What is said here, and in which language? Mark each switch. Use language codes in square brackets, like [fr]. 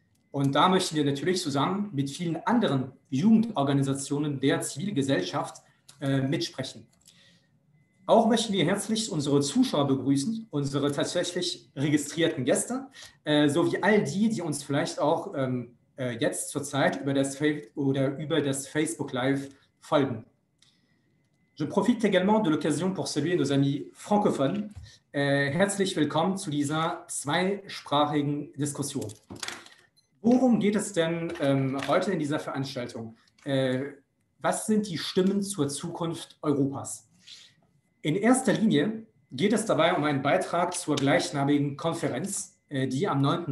[de] Und da möchten wir natürlich zusammen mit vielen anderen Jugendorganisationen der Zivilgesellschaft mitsprechen. Auch möchten wir herzlich unsere Zuschauer begrüßen, unsere tatsächlich registrierten Gäste, sowie all die, die uns vielleicht auch jetzt zurzeit über das Facebook Live folgen. [fr] Je profite également de l'occasion pour saluer nos amis francophones. [de] Herzlich willkommen zu dieser zweisprachigen Diskussion. Worum geht es denn heute in dieser Veranstaltung? Was sind die Stimmen zur Zukunft Europas? In erster Linie geht es dabei um einen Beitrag zur gleichnamigen Konferenz, die am 9.